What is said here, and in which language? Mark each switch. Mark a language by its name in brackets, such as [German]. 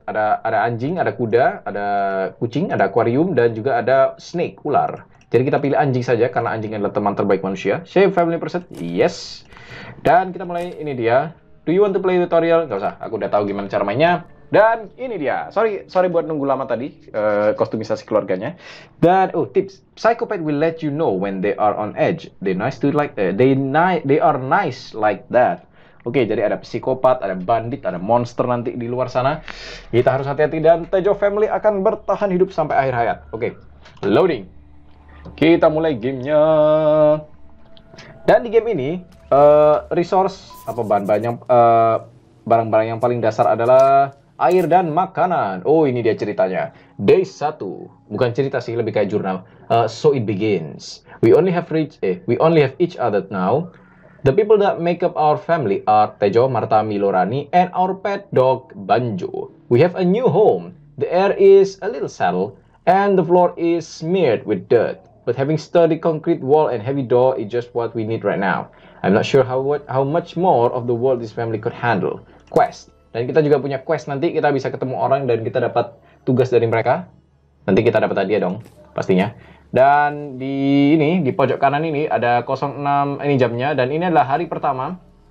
[Indonesian] Ada anjing, ada kuda, ada kucing, ada akuarium, dan juga ada snake, ular. Jadi kita pilih anjing saja, karena anjing adalah teman terbaik manusia. [English] Save family person. Yes. [Indonesian] Dan kita mulai, ini dia. [English] Do you want to play tutorial? [Indonesian] Gak usah, aku udah tahu gimana cara mainnya. Dan ini dia, sorry buat nunggu lama tadi, kostumisasi keluarganya. [English] Dan, tips, psychopath will let you know when they are on edge. They are nice like that. [Indonesian] Oke, jadi ada psikopat, ada bandit, ada monster nanti di luar sana. Kita harus hati-hati dan Tejo Family akan bertahan hidup sampai akhir hayat. Oke, loading. Kita mulai gamenya. Dan di game ini, Resource apa bahan-bahan yang barang-barang yang paling dasar adalah air dan makanan. Oh, ini dia ceritanya. Day 1. Bukan cerita sih, lebih kayak jurnal. [English] So it begins. We only have each other now. The people that make up our family are Tejo, Marta, Milo, Rani, and our pet dog, Banjo. We have a new home. The air is a little settled, and the floor is smeared with dirt. But having sturdy concrete wall and heavy door is just what we need right now. I'm not sure how much more of the world this family could handle. Quest. [Indonesian] Dan kita juga punya quest nanti, kita bisa ketemu orang dan kita dapat tugas dari mereka. Nanti kita dapat hadiah dong, pastinya. Dan di ini, di pojok kanan ini, ada 06, ini jamnya, dan ini adalah hari pertama.